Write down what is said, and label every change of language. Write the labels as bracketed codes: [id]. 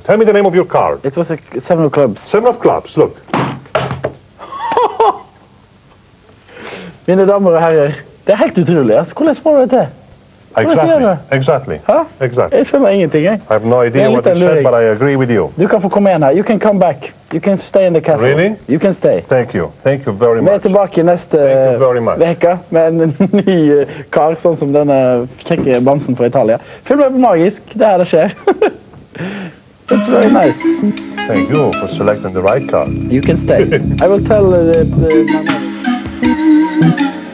[en] Tell me the name of your card. It was a Seven of Clubs. Seven of Clubs, look. [no] Mine damer og herrer, det helt utrolig, altså, hvordan får du det til? [en] Exactly. Hæ? Exactly. [no] Jeg skjønner ingenting, jeg. [en] I have no idea what you said, but I agree with you. [no] Du kan få komme igjen her, [en] you can come back. You can stay in the castle. Really? You can stay. Thank you very much. [no] Vi tilbake neste veke med en ny kar, sånn som denne kjekke bamsen fra Italia. Filmen magisk, det her det skjer. [en] It's very nice. Thank you for selecting the right car. You can stay. I will tell the... Thank you.